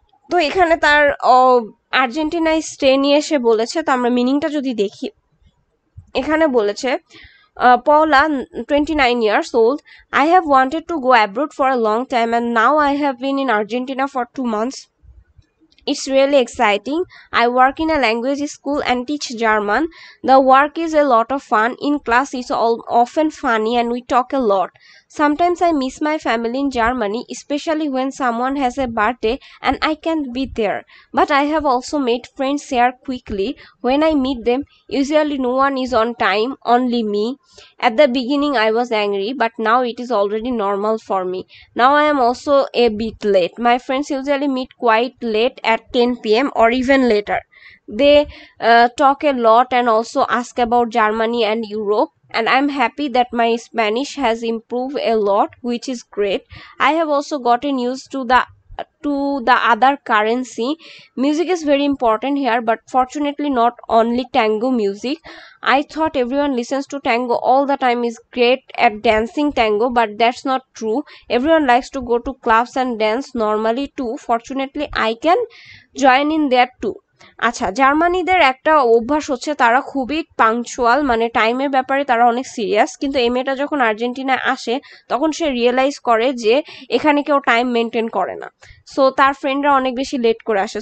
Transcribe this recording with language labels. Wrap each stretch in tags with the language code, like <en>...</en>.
<bn>তো এখানে তার আর্জেন্টিনায় স্টে নিয়ে এসে বলেছে, তো আমরা মিনিংটা যদি দেখি এখানে বলেছে Paula</bn> <en>29 years old, I have wanted to go abroad for a long time and now I have been in Argentina for 2 months. It's really exciting. I work in a language school and teach German. The work is a lot of fun. In class it's all often funny and we talk a lot. Sometimes I miss my family in Germany, especially when someone has a birthday and I can't be there. But I have also made friends here quickly. When I meet them, usually no one is on time, only me. At the beginning I was angry, but now it is already normal for me. Now I am also a bit late. My friends usually meet quite late at 10 p.m. or even later. They talk a lot and also ask about Germany and Europe. And I'm happy that my Spanish has improved a lot, which is great. I have also gotten used to the other currency. Music is very important here, but fortunately not only tango music. I thought everyone listens to tango all the time is great at dancing tango, but that's not true. Everyone likes to go to clubs and dance normally too. Fortunately, I can join in that too.</en> <bn>আচ্ছা, জার্মানিদের একটা অভ্যাস হচ্ছে তারা খুবই punctual, মানে টাইমের ব্যাপারে তারা অনেক সিরিয়াস। কিন্তু এই মেয়েটা যখন আর্জেন্টিনায় আসে তখন সে রিয়েলাইজ করে যে এখানে কেউ টাইম মেনটেন করে না, সো তার ফ্রেন্ডরা অনেক বেশি লেট করে আসে।</bn>